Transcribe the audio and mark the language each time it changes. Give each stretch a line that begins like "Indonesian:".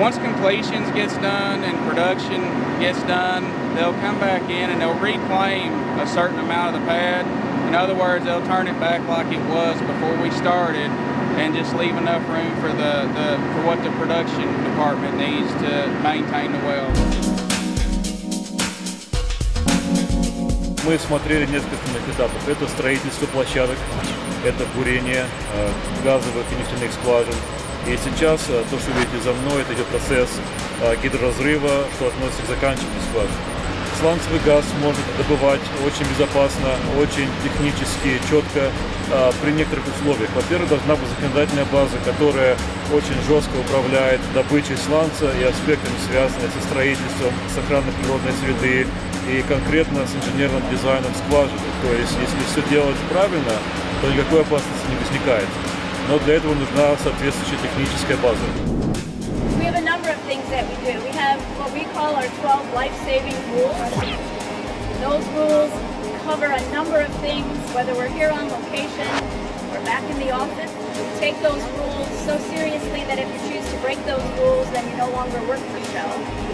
English: Once completions gets done and production gets done, they'll come back in and they'll reclaim a certain amount of the pad. In other words, they'll turn it back like it was before we started and just leave enough room for for what the production department needs to maintain the well.
Russian: Мы смотрели несколько основных этапов. Это строительство площадок, это бурение газовых и нефтяных скважин. И сейчас то, что видите за мной, это идет процесс гидроразрыва, что относится к заканчиванию скважин. Сланцевый газ можно добывать очень безопасно, очень технически, четко, при некоторых условиях. Во-первых, должна быть законодательная база, которая очень жестко управляет добычей сланца и аспектами, связанными со строительством, с охраной природной среды и конкретно с инженерным дизайном скважины. То есть, если все делать правильно, то никакой опасности не возникает. Но для этого нужна соответствующая техническая база.
English: Things that we do. We have what we call our 12 life-saving rules. Those rules cover a number of things, whether we're here on location or back in the office. We take those rules so seriously that if you choose to break those rules, then you no longer work for Shell.